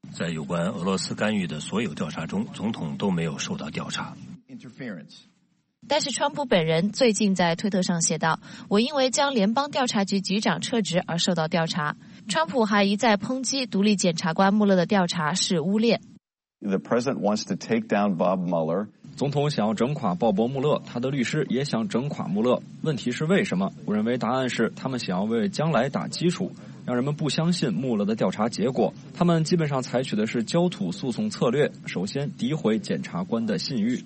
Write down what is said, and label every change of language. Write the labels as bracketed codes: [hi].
[zh] 在有关俄罗斯干预的所有调查中，总统都没有受到调查。 [en] Interference. [zh] 但是川普本人最近在推特上写道，我因为将联邦调查局局长撤职而受到调查。川普还一再抨击独立检察官穆勒的调查是污蔑。 [en] The president wants to take down Bob Mueller. [zh] 总统想要整垮鲍勃·穆勒，他的律师也想整垮穆勒。问题是为什么？我认为答案是他们想要为将来打基础，让人们不相信穆勒的调查结果。他们基本上采取的是焦土诉讼策略，首先诋毁检察官的信誉。